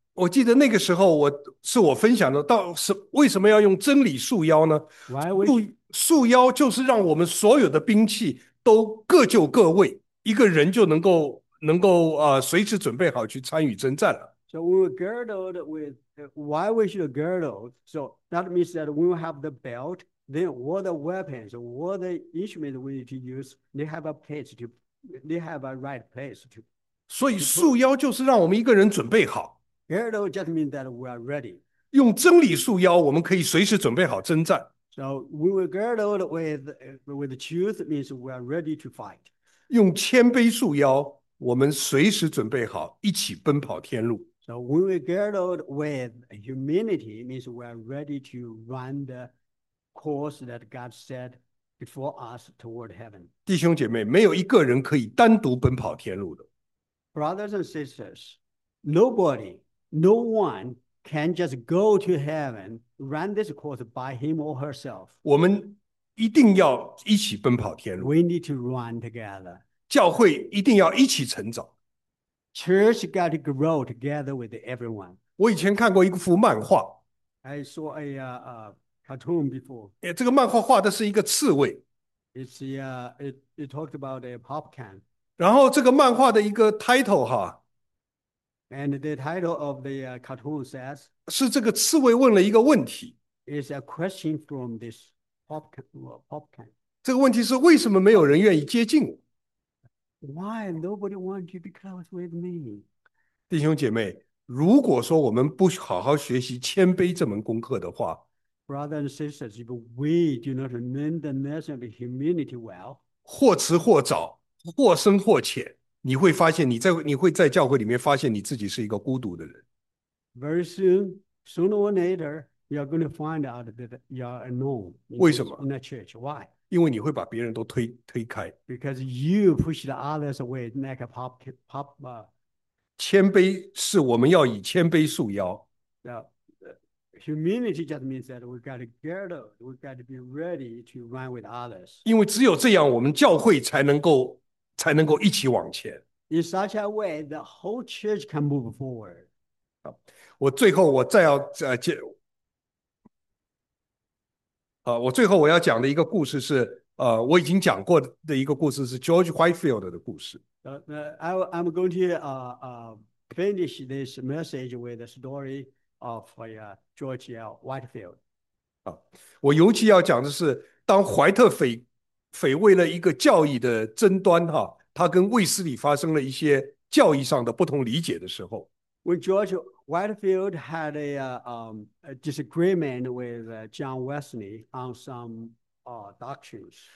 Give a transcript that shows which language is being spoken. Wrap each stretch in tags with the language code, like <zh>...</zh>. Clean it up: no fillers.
<zh>我记得那个时候我分享的，到是为什么要用真理束腰呢？束腰就是让我们所有的兵器都各就各位，一个人就能够随时准备好去参与征战了。</zh> <en>So we were girded with, why we should girdle? So that means that we will have the belt, then all the weapons, all the instruments we need to use, they have a right place to.</en> <zh>所以束腰就是让我们一个人准备好。</zh> <en>Girdle just means that we are ready.</en> <zh>用真理束腰，我们可以随时准备好征战。</zh> <en>So we were girdled with truth means we are ready to fight.</en> <zh>用谦卑束腰，我们随时准备好一起奔跑天路。</zh> <en>So when we girdled with humility, it means we are ready to run the course that God set before us toward heaven.</en> <zh>弟兄姐妹，没有一个人可以单独奔跑天路的。</zh> <en>Brothers and sisters, nobody, no one can just go to heaven, run this course by him or herself.</en> <zh>我们一定要一起奔跑天路。</zh> <en>We need to run together.</en> <zh>教会一定要一起成长。</zh> <en>Church got to grow together with everyone.</en> <zh>我以前看过一幅漫画。</zh> <en>I saw a cartoon before.</en> <zh>这个漫画画的是一个刺猬。</zh> <en>It talked about a pop can.</en> <zh>然后这个漫画的一个 title 哈。</zh> <en>And the title of the cartoon says,</en> <zh>是这个刺猬问了一个问题。</zh> <en>is a question from this pop can.</en> <zh>这个问题是为什么没有人愿意接近我？</zh> <en>Why nobody wants to be close with me?</en> <zh>弟兄姐妹，如果说我们不好好学习谦卑这门功课的话，</zh> <en>Brothers and sisters, if we do not learn the lesson of humility well,</en> <zh>或迟或早，或深或浅，你会在教会里面发现你自己是一个孤独的人。</zh> <en>Very soon, sooner or later, you are going to find out that you are alone in,</en> <zh>为什么？</zh> <en>in the church. Why?</en> <zh>因为你会把别人都推开。</zh> <en>Because you push the others away like a pop.</en> <zh>谦卑是我们要以谦卑束腰。</zh> <en>Now, humility just means that we've got to get up, we've got to be ready to run with others.</en> <zh>因为只有这样，我们教会才能够一起往前。</zh> <en>In such a way, the whole church can move forward.</en> <zh>我最后我再要我最后我要讲的一个故事是，我已经讲过的一个故事是 George Whitefield 的故事。</zh> <en>I'm going to finish this message with the story of George L. Whitefield.</en> <zh>我尤其要讲的是，当怀特匪为了一个教义的争端，他跟卫斯理发生了一些教义上的不同理解的时候。</zh> <en>When George Whitefield had a disagreement with John Wesley on some doctrines.</en>